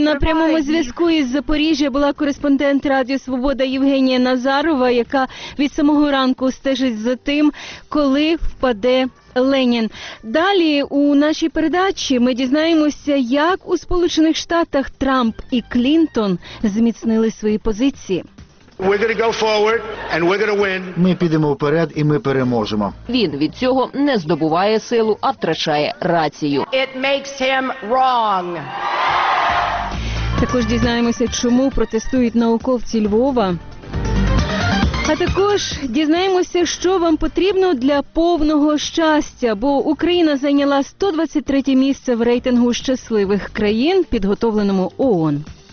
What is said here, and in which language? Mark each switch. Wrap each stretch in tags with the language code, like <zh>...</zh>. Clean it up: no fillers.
<uk>На прямому зв'язку із Запоріжжя була кореспондент Радіо Свобода Євгенія Назарова, яка від самого ранку стежить за тим, коли впаде Ленін. Далі у нашій передачі ми дізнаємося, як у Сполучених Штатах Трамп і Клінтон зміцнили свої позиції.</uk> <en>We're going to go forward and we're going to win.</en> <uk>Ми підемо вперед і ми переможемо. Він від цього не здобуває силу, а втрачає рацію.</uk> <en>It makes him wrong.</en> <uk>Також дізнаємося, чому протестують науковці Львова. А також дізнаємося, що вам потрібно для повного щастя, бо Україна зайняла 123 місце в рейтингу щасливих країн, підготовленому ООН.</uk>